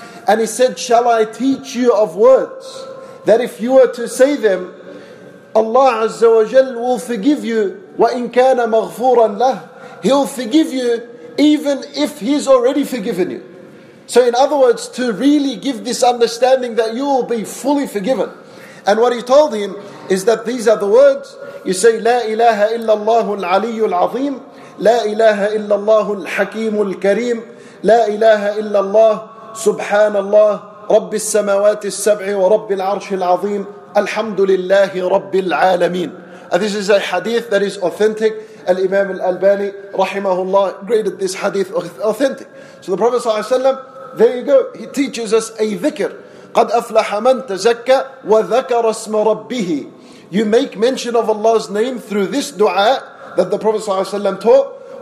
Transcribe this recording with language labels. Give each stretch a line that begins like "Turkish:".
English: And he said, shall I teach you of words that if you were to say them, Allah Azza wa Jal will forgive you,
Arabic: وَإِنْ كَانَ مَغْفُورًا لَهُ.
English: He'll forgive you even if He's already forgiven you. So in other words, to really give this understanding that you will be fully forgiven. And what he told him is that these are the words. You say,
Arabic: لا إله إلا الله العلي العظيم, لا إله إلا الله الحكيم الكريم, لا إله إلا الله سبحان الله رب السماوات السبع ورب العرش العظيم الحمد لله رب العالمين.
English: This is a hadith that is authentic. Al-Imam Al-Albani, rahimahullah, graded this hadith authentic. So the Prophet sallallahu alayhi wa sallam, there you go, he teaches us a dhikr.
Arabic: قَدْ أَفْلَحَ مَنْ تَزَكَّى وَذَكَرَ اسْمَ رَبِّهِ.
English: You make mention of Allah's name through this dua that the Prophet sallallahu alayhi wa sallam taught.